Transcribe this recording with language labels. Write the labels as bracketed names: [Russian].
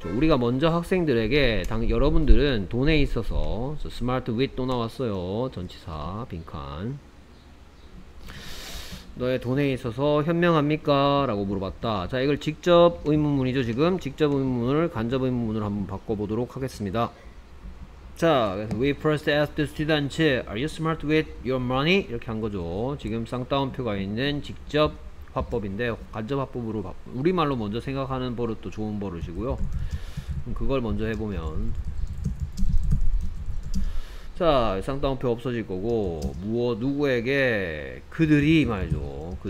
[Korean] 우리가 먼저 학생들에게, 여러분들은 돈에 있어서, [English] so smart with [Korean] 또 나왔어요. 전치사, 빈칸. 너의 돈에 있어서 현명합니까? 라고 물어봤다. 자, 이걸 직접 의문문이죠, 지금. 직접 의문문을, 간접 의문문으로 한번 바꿔보도록 하겠습니다. 자, 그래서 [English] we first asked the students, are you smart with your money? [Korean] 이렇게 한 거죠. 지금 쌍따옴표가 있는 직접 화법인데 간접화법으로 우리말로 먼저 생각하는 버릇도 좋은 버릇이고요. 그걸 먼저 해보면 자 쌍따옴표 없어질 거고 무엇 누구에게 그들이 말이죠.